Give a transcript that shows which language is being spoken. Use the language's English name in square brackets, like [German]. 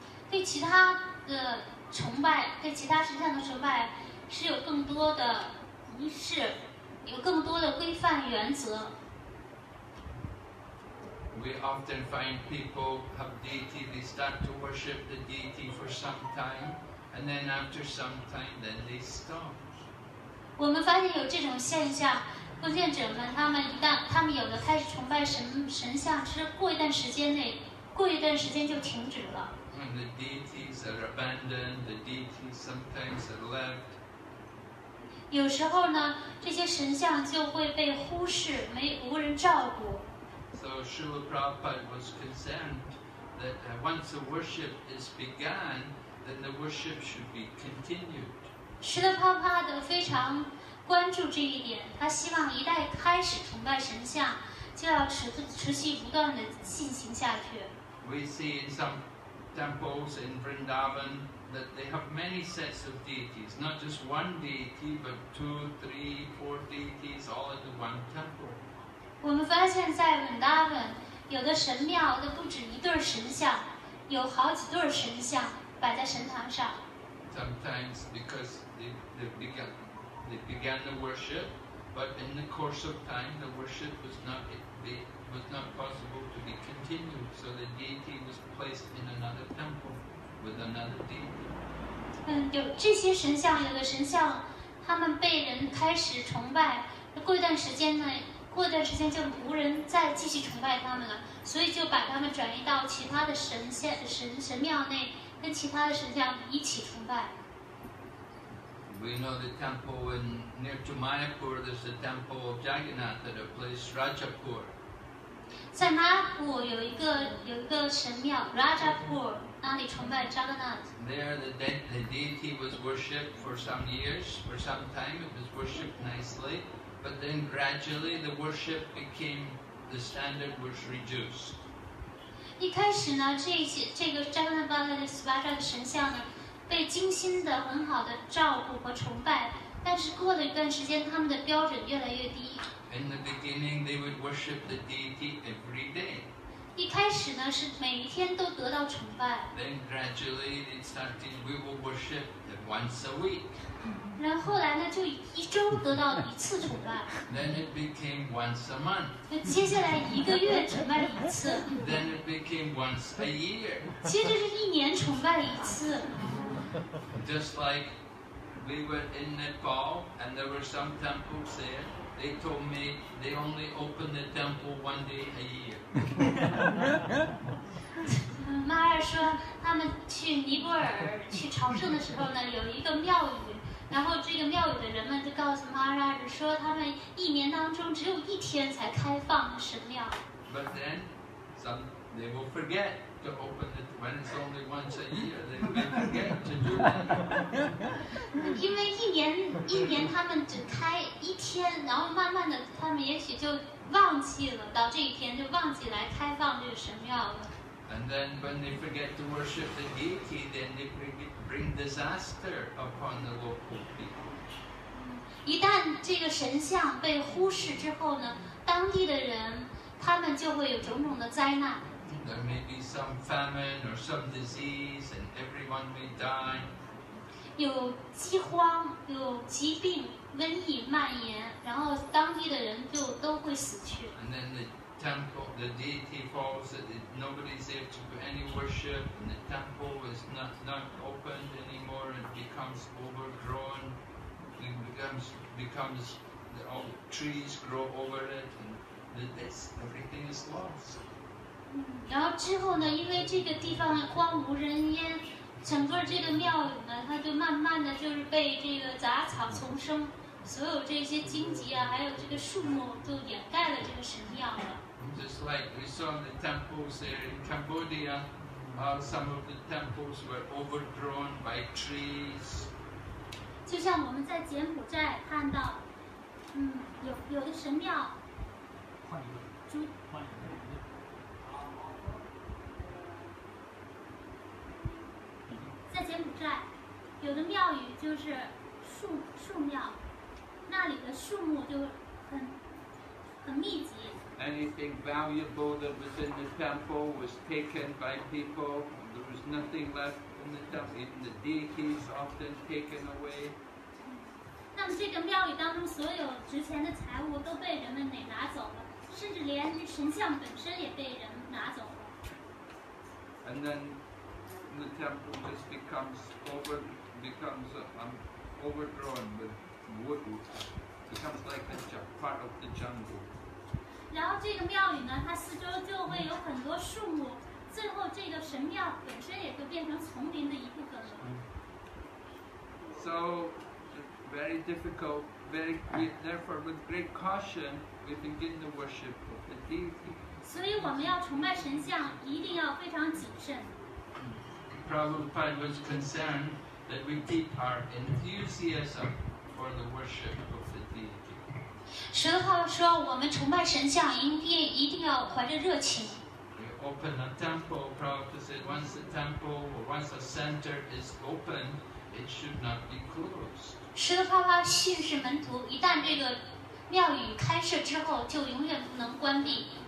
[Chinese] 对其他的崇拜，对其他神像的崇拜是有更多的仪式，有更多的规范原则。 [English] We often find people have deity, they start to worship the deity for some time, and then after some time, then they stop. [Chinese] 我们发现有这种现象。奉献者们，他们有的开始崇拜神像，是过一段时间就停止了。 [English] And the deities are abandoned. The deities sometimes are left. [Chinese] 有时候呢，这些神像就会被忽视，无人照顾。 [English] So Srila Prabhupada was concerned that once the worship is begun, then the worship should be continued. [Chinese] 是的，帕帕的非常。关注这一点，他希望一旦开始崇拜神像，就要持续不断的进行下去。 [English] We see in some temples in Vrindavan that they have many sets of deities, not just one deity, but two, three, four deities all at one temple. [Chinese] 我们发现在 Vrindavan 有的神庙都不止一对神像，有好几对神像摆在神堂上。 [English] Sometimes because they began the worship, but in the course of time, the worship was not possible to be continued. So the deity was placed in another temple with another deity. [Chinese] 有这些神像，有的神像，他们被人开始崇拜，过一段时间呢，过一段时间就无人再继续崇拜他们了，所以就把他们转移到其他的神庙内，跟其他的神像一起崇拜。 [English] We know the temple in near to Mayapur. There's a temple of Jagannath at a place Rajapur. [Chinese] 在马普有一个神庙 Rajapur， 那里崇拜 Jagannath。 [English] There the deity was worshipped for some years, for some time it was worshipped nicely, but then gradually the worship became the standard was reduced. [Chinese] 一开始呢，这个 Jagannath 的 Swaja 的神像呢。被精心的很好的照顾和崇拜，但是过了一段时间，他们的标准越来越低。 [English] In the beginning, they would worship the deity every day. [Chinese] 一开始呢，是每一天都得到崇拜。 [English] Then gradually, they started we will worship them once a week. [Chinese] 然后来呢，就一周得到一次崇拜。 [English] Then it became once a month. [Chinese] 接下来一个月崇拜一次。 [English] Then it became once a year. [Chinese] 接着是一年崇拜一次。 [English] Just like we were in Nepal and there were some temples there, they told me they only open the temple one day a year. [Chinese] Maya 说他们去尼泊尔去朝圣的时候呢，有一个庙宇，然后这个庙宇的人们就告诉 Maya 说他们一年当中只有一天才开放神庙。 [English] But then some they will forget. To open it when it's only once a year, they forget to do that. [Chinese] 因为一年他们只开一天，然后慢慢的他们也许就忘记了，到这一天就忘记来开放这个神庙了。 [English] And then when they forget to worship the deity, then they bring disaster upon the local people. [Chinese] 一旦这个神像被忽视之后呢，当地的人他们就会有种种的灾难。 [English] There may be some famine or some disease, and everyone may die. [Chinese] 有饥荒，有疾病，瘟疫蔓延，然后当地的人就都会死去。 [English] And then the temple, the deity falls, and nobody's there to do any worship, and the temple is not opened anymore, and becomes overgrown. It becomes the old trees grow over it, and everything is lost. [Chinese] 然后之后呢，因为这个地方荒无人烟，整个这个庙宇呢，它就慢慢的就是被这个杂草丛生，所有这些荆棘啊，还有这个树木都掩盖了这个神庙了。 [English] Just like we saw the temples there in Cambodia, how some of the temples were overgrown by trees. [Chinese] 就像我们在柬埔寨看到，有的神庙，在柬埔寨，有的庙宇就是树庙，那里的树木就很密集。 [English] Anything valuable that was in the temple was taken by people. There was nothing left in the temple. Even the deities often taken away. [Chinese] 那么这个庙宇当中所有值钱的财物都被人们给拿走了，甚至连神像本身也被人拿走了。 [English] And then. The temple just becomes overgrown with wood, becomes like a part of the jungle. [Chinese] 然后这个庙宇呢，它四周就会有很多树木，最后这个神庙本身也就变成丛林的一部分了。 [English] So very difficult, very therefore with great caution we begin the worship of the deity. [Chinese] 所以我们要崇拜神像，一定要非常谨慎。 [English] Prabhupada was concerned that we keep our enthusiasm for the worship of the deity. [Chinese] 舍勒帕说我们崇拜神像一定要怀着热情。 [English] We open a temple, Prabhupada said, once a temple or once a center is open, it should not be closed. [Chinese] 舍勒帕训示门徒一旦这个庙宇开设之后就永远不能关闭。